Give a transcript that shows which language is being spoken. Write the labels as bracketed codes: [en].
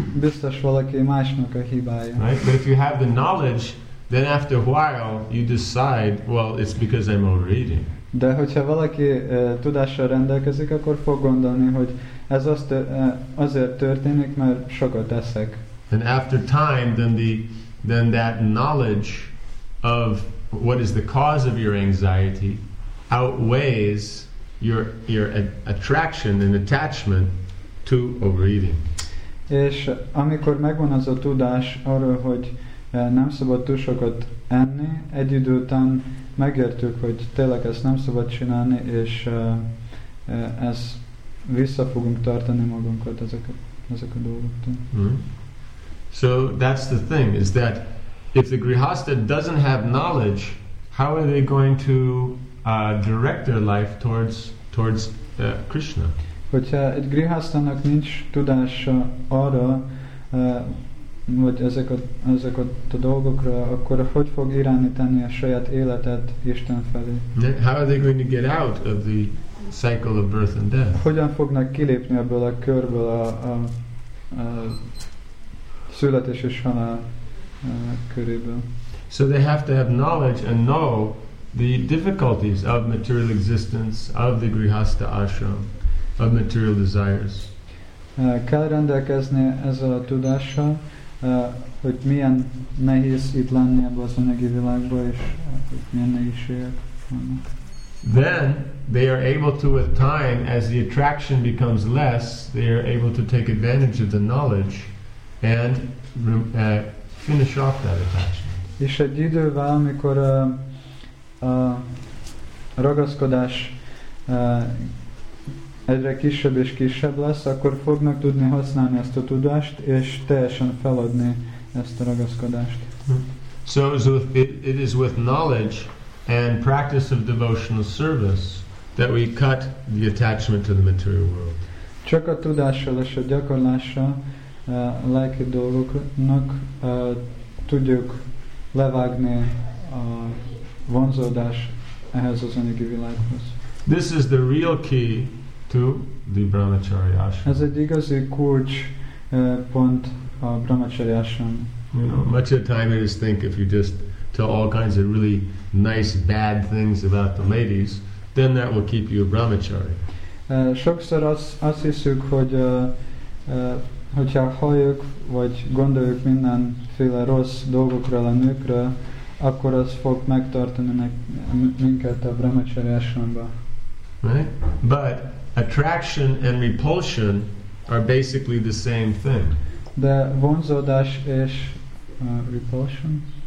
[hu] Biztos valaki másnak a hibája. [en] Right? But if you have the knowledge, then after a while you decide, well, it's because I'm overeating. [hu] De hogyha valaki tudással rendelkezik, akkor fog gondolni, hogy ez azért történik, mert sokat eszek. [en] And after time, then that knowledge of what is the cause of your anxiety outweighs your attraction and attachment to overeating. [hu] És amikor megvan az a tudás arról, hogy nem szabad túl sokat enni, egy idő után megértük, hogy tényleg ezt nem szabad csinálni, és ez vissza fogunk tartani magunkat ezek a dolgoktól. [en] So that's the thing, is that if the grihastha doesn't have knowledge, how are they going to direct their life towards Krishna? [hu] Hogyha egy grihasztának nincs tudása arra, hogy ezek a dolgokra, akkor hogy fog irányítani a saját életet Isten felé? [en] How are they going to get out of the cycle of birth and death? [hu] Hogyan fognak kilépni ebből a körből a születés és halál köréből? [en] So they have to have knowledge and know the difficulties of material existence, of the grihastha ashram, of material desires. [hu] Kell rendelkezni ezzel a tudással, hogy milyen nehéz itt lenni ebben az anyagi világban, és hogy milyen nehézségek vannak. [en] Then they are able to, with time, as the attraction becomes less, they are able to take advantage of the knowledge and finish off that attachment. [hu] És egy idővel, amikor a ragaszkodás egyre kisebb és kisebb lesz, akkor fognak tudni használni ezt a tudást, és teljesen feladni ezt a ragaszkodást. [en] So it is with knowledge and practice of devotional service that we cut the attachment to the material world. [hu] Csak a tudással és a gyakorlással a lelki dolgoknak tudjuk levágni a vonzódás ehhez az anyagi világhoz. [en] This is the real key to the Brahmacharya ashram. [hu] Ez egy igazi kulcs pont a Brahmacharya ashram. [en] You know, much of the time I just think if you just tell all kinds of really nice bad things about the ladies, then that will keep you a Brahmachari. [hu] Sokszor azt hiszük, hogy hogyha halljuk, vagy gondoljuk mindenféle rossz dolgokra a nőkre, akkor az fog megtartani minket a Brahmacharya ashramba. [en] Right? But attraction and repulsion are basically the same thing. [hu] De vonzódás és repulsion?